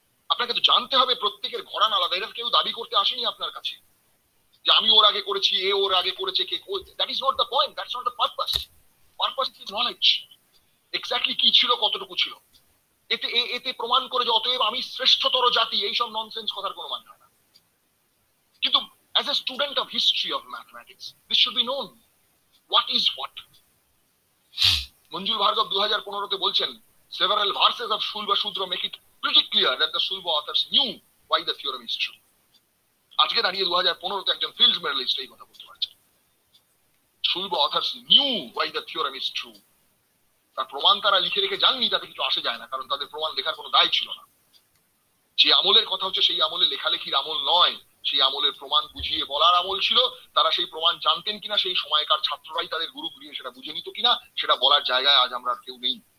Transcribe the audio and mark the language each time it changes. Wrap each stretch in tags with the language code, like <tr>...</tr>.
<bn>আপনাকে তো জানতে হবে প্রত্যেকের ঘরানা আলাদা, এটা কেউ দাবি করতে আসেনি আপনার কাছে যে আমি ওর আগে করেছি, এ ওর আগে করেছে, কে করেছে,</bn> <en>that is not the point, that's not the purpose, purpose is knowledge,</en> <bn>exactly কি ছিল, কতটুকু ছিল, এতে এতে প্রমাণ করে যে অতএব আমি শ্রেষ্ঠতর জাতি, এইসব ননসেন্স কথার কোনো মানে হয় না।</bn> <en>কিন্তু as a student of history of mathematics, this should be known what is what. Manjul Bhargava 2015 বলছেন, several verses of Shulba Sutra make it pretty clear that the Shulba authors knew why the theorem is true.</en> <bn>আজকে দাঁড়িয়ে 2015 একজন field medallist এই কথা বলতে পারছে,</bn> <en>Shulba authors knew why the theorem is true.</en> <bn>তার প্রমাণ তারা লিখে রেখে জাননি, তাতে কিছু আসে যায় না, কারণ তাদের প্রমাণ লেখার কোনো দায় ছিল না। যে আমলের কথা হচ্ছে সেই আমলে লেখালেখির আমল নয়, সেই আমলের প্রমাণ বুঝিয়ে বলার আমল ছিল, তারা সেই প্রমাণ জানতেন কিনা, সেই সময়কার ছাত্ররাই তাদের গুরু গৃহে সেটা বুঝে নিত কিনা, সেটা বলার জায়গায় আজ আমরা আর কেউ নেই।</bn>